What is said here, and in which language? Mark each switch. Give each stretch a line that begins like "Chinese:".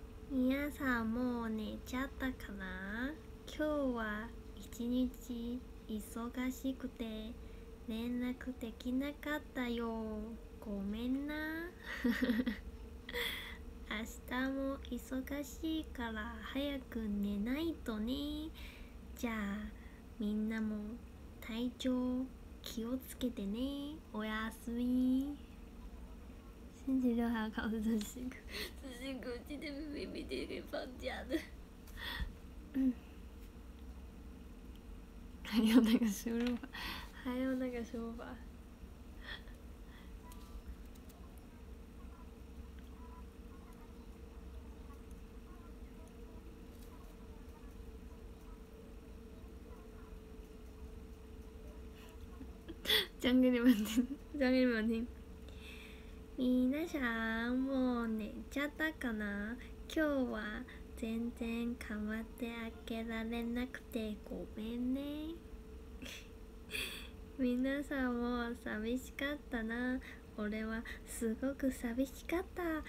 Japanese: 皆さんもう寝ちゃったかな？今日は一日忙しくて連絡できなかったよ。ごめんな。明日も忙しいから早く寝ないとね。じゃあみんなも体調気をつけてね。おやすみ。
Chinese: 星期六还要考试，真辛苦，真辛苦！今天明明明天可以放假的，还有那个输入法，还有那个输入法，讲给你们听，讲给你们听。
Japanese: 皆さんもう寝ちゃったかな？今日は全然かまって開けられなくてごめんね。皆さんも寂しかったな。俺はすごく寂しかった。